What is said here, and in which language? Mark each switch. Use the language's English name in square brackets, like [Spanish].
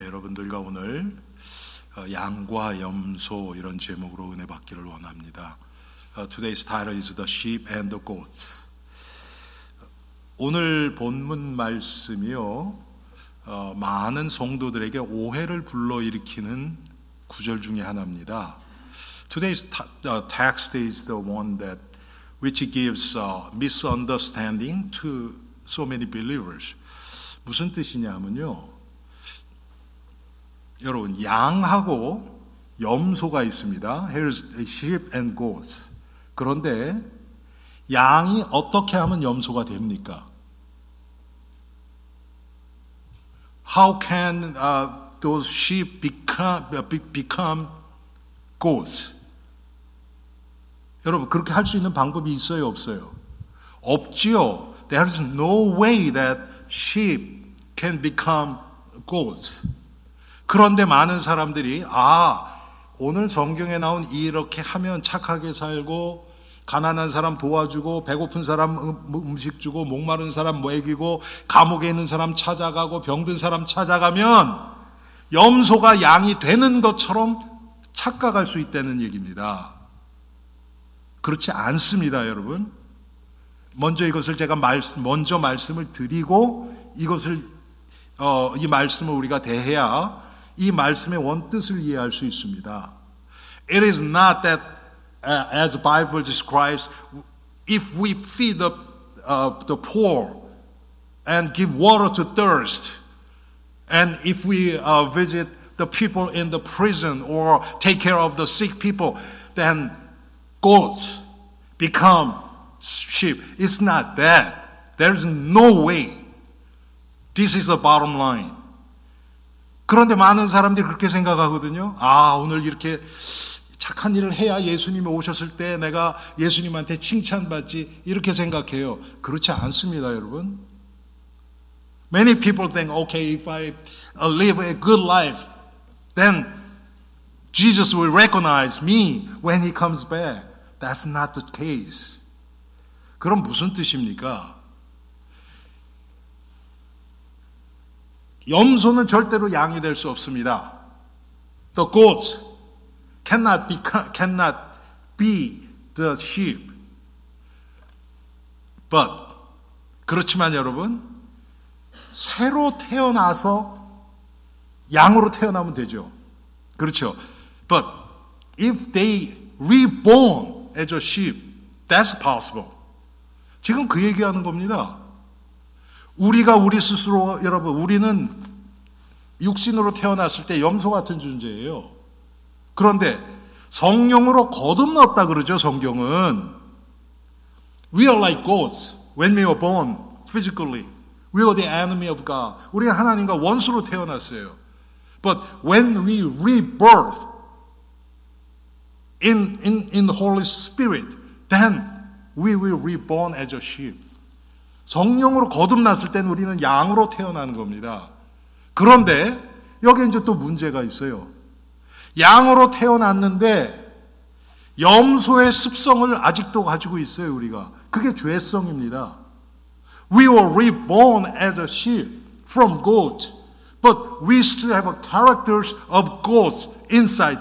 [Korean] 여러분들과 오늘 양과 염소 이런 제목으로 은혜 받기를 원합니다. [English] Today's title is The Sheep and the Goats. [Korean] 오늘 본문 말씀이요, 많은 성도들에게 오해를 불러일으키는 구절 중에 하나입니다. [English] Today's text is the one that which gives misunderstanding to so many believers. [Korean] 무슨 뜻이냐면요, 여러분, 양하고 염소가 있습니다. [English] Here's a sheep and goats. [Korean] 그런데 양이 어떻게 하면 염소가 됩니까? [English] How can those sheep become goats? [Korean] 여러분, 그렇게 할 수 있는 방법이 있어요, 없어요? 없지요. [English] There's no way that sheep can become goats. [Korean] 그런데 많은 사람들이 오늘 성경에 나온 이렇게 하면 착하게 살고 가난한 사람 도와주고 배고픈 사람 음식 주고 목마른 사람 먹이고 감옥에 있는 사람 찾아가고 병든 사람 찾아가면 염소가 양이 되는 것처럼 착각할 수 있다는 얘기입니다. 그렇지 않습니다, 여러분. 먼저 이것을 제가 먼저 말씀을 드리고 이것을 이 말씀을 우리가 대해야 이 말씀의 원뜻을 이해할 수 있습니다. [English] It is not that as the Bible describes if we feed the poor and give water to thirst and if we visit the people in the prison or take care of the sick people then goats become sheep. It's not that. There's no way. This is the bottom line. [Korean] 그런데 많은 사람들이 그렇게 생각하거든요. 오늘 이렇게 착한 일을 해야 예수님이 오셨을 때 내가 예수님한테 칭찬받지, 이렇게 생각해요. 그렇지 않습니다, 여러분. [English] Many people think, okay, if I live a good life, then Jesus will recognize me when he comes back. That's not the case. [Korean] 그럼 무슨 뜻입니까? 염소는 절대로 양이 될 수 없습니다. [English] The goats cannot be the sheep. [Korean] But 그렇지만 여러분, 새로 태어나서 양으로 태어나면 되죠. 그렇죠. [English] But if they reborn as a sheep, that's possible. [Korean] 지금 그 얘기하는 겁니다. 우리가 우리 스스로, 여러분, 우리는 육신으로 태어났을 때 염소 같은 존재예요. 그런데 성령으로 거듭났다 그러죠, 성경은. [English] We are like goats when we were born physically. We are the enemy of God. [Korean] 우리가 하나님과 원수로 태어났어요. [English] But when we rebirth in the Holy Spirit, then we will reborn as a sheep. [Korean] 성령으로 거듭났을 때는 우리는 양으로 태어나는 겁니다. 그런데 여기 이제 또 문제가 있어요. 양으로 태어났는데 염소의 습성을 아직도 가지고 있어요, 우리가. 그게 죄성입니다. [English] We were reborn as a sheep from goat, but we still have a characters of goats inside.